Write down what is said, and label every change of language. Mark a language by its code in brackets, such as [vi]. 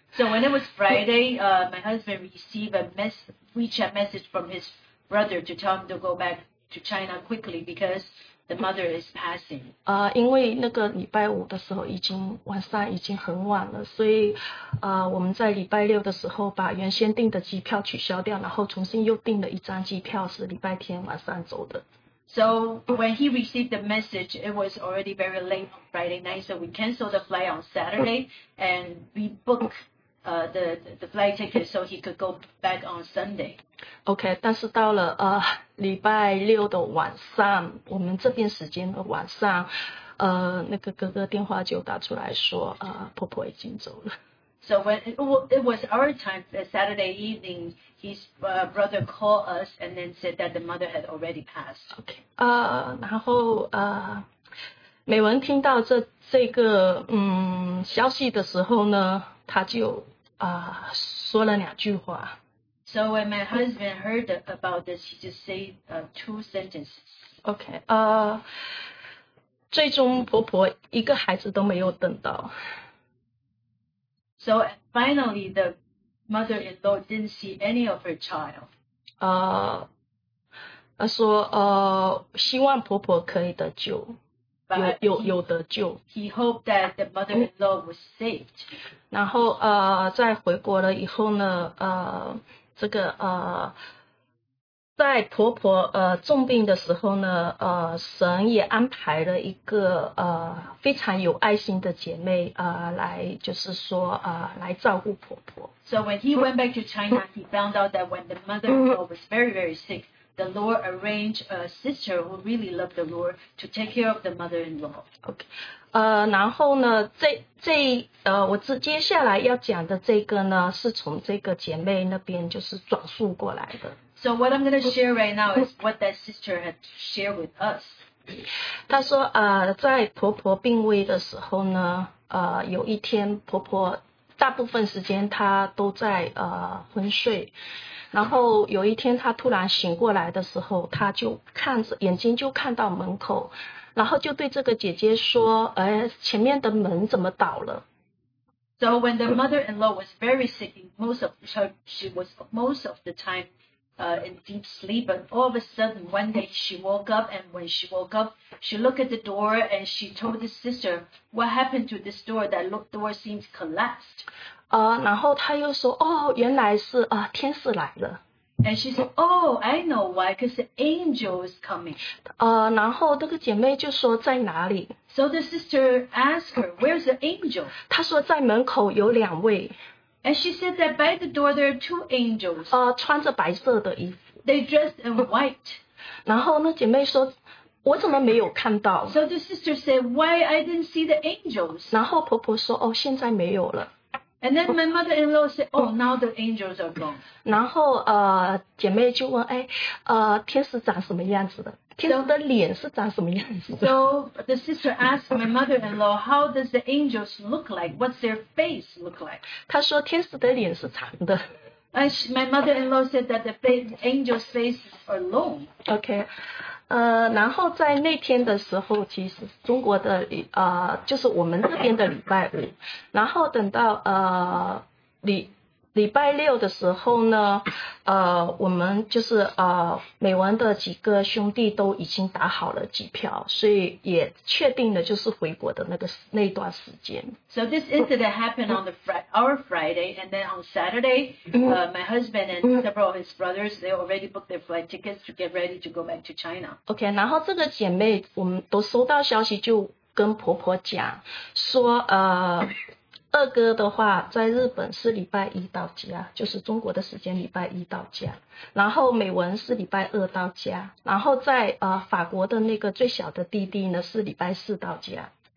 [en] So when it was Friday, my husband received a WeChat message from his brother to tell him to go back to China quickly because the mother is passing. [zh] 因为那个礼拜五的时候已经晚上已经很晚了，所以我们在礼拜六的时候把原先订的机票取消掉，然后重新又订了一张机票，是礼拜天晚上走的。 [en] So when he received the message, it was already very late on Friday night, so we canceled the flight on Saturday and we booked the flight ticket so he could go back on Sunday. [zh] Okay, 但是到了礼拜六的晚上，我们这边时间的晚上，那个哥哥电话就打出来说，婆婆已经走了。 [en] So when it was our time, Saturday evening, his brother called us and then said that the mother had already passed. [zh] Okay, 然后美文听到这个消息的时候呢，他就说了两句话。 [en] So when my husband heard about this, he just said two sentences. [zh] Okay, 最终婆婆一个孩子都没有等到。 [en] So finally, the mother-in-law didn't see any of her child. [zh] 她说希望婆婆可以得救。有得救。 [en] He hoped that the mother-in-law was saved. [zh] 然后在回国了以后呢，这个在婆婆重病的时候呢，神也安排了一个非常有爱心的姐妹来，就是说来照顾婆婆。 [en] So when he went back to China, he found out that when the mother-in-law was very, very sick. The Lord arranged a sister who really loved the Lord to take care of the mother-in-law. Okay. [zh] 然后呢，我接下来要讲的这个呢，是从这个姐妹那边就是转述过来的。 [en] So what I'm going to share right now is what that sister had shared with us. [zh] 她说，在婆婆病危的时候呢，有一天婆婆大部分时间她都在昏睡。然后有一天他突然醒过来的时候，他就看着眼睛就看到门口，然后就对这个姐姐说，哎，前面的门怎么倒了。 [en] So when the mother-in-law was very sick, she was most of the time in deep sleep, but all of a sudden one day when she woke up, she looked at the door and she told the sister, what happened to this door? That door seems collapsed. [zh] 然后他又说，哦，原来是天使来了。 [en] And she said, oh, I know why, because the angel is coming. [zh] 然后这个姐妹就说在哪里。 [en] So the sister asked her, where's the angel? [zh] 她说在门口有两位。 [en] And she said that by the door there are two angels. [zh] 穿着白色的衣服。 [en] They dressed in white. [zh] 然后那姐妹说，我怎么没有看到。 [en] So the sister said, why I didn't see the angels? [zh] 然后婆婆说，哦，现在没有了。 [en] And then my mother-in-law said, oh, now the angels are gone. [zh] 然后姐妹就问，哎，天使长什么样子的？天使的脸是长什么样子的？ [en] So the sister asked my mother-in-law, how does the angels look like? What's their face look like? [zh] 她说天使的脸是长的。 [en] And my mother-in-law said that the angels' faces are long. Okay. [zh] 然后在那天的时候，其实中国的就是我们这边的礼拜五，然后等到礼拜六的时候呢，我们就是美文的几个兄弟都已经打好了机票，所以也确定了就是回国的那段时间。 [en] So this incident happened on our Friday, and then on Saturday, my husband and several of his brothers, they already booked their flight tickets to get ready to go back to China. [zh] Okay, 然后这个姐妹，我们都收到消息就跟婆婆讲说，二哥的话在日本是礼拜一到家，就是中国的时间礼拜一到家，然后美文是礼拜二到家，然后在法国的那个最小的弟弟呢是礼拜四到家。